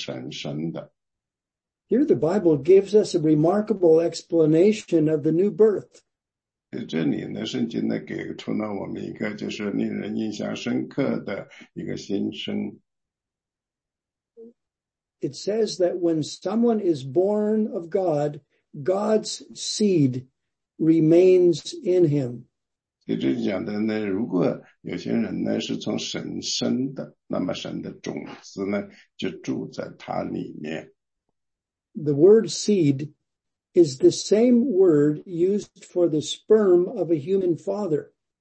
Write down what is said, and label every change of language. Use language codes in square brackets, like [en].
[zh] 约翰一书三章第九节说，凡从神生的，就不犯罪，因神的种子住在他里面，他也不能犯罪，因为他是从神生的。 [en] Here the Bible gives us a remarkable explanation of the new birth. [zh] 这里呢，圣经呢，给出了我们一个就是令人印象深刻的一个新生。 [en] It says that when someone is born of God, God's seed remains in him. [zh] 这里讲的呢，如果有些人呢是从神生的， 那么神的种子呢，就住在他里面。 [en] The word seed is the same word used for the sperm of a human father.